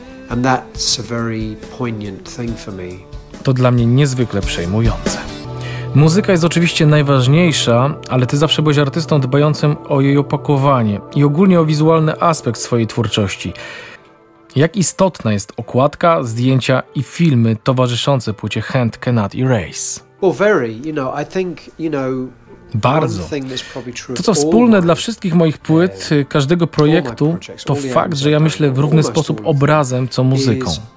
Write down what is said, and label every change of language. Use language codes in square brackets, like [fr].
[en] And that's a very poignant thing for me. [pl] To dla mnie niezwykle przejmujące. Muzyka jest oczywiście najważniejsza, ale ty zawsze byłeś artystą dbającym o jej opakowanie i ogólnie o wizualny aspekt swojej twórczości. Jak istotna jest okładka, zdjęcia i filmy towarzyszące płycie Hand Cannot Erase? [en] Well, very, you know, I think, you know... [pl] Bardzo. To, co wspólne dla wszystkich moich płyt, każdego projektu, to fakt, że ja myślę w równy sposób obrazem, co muzyką.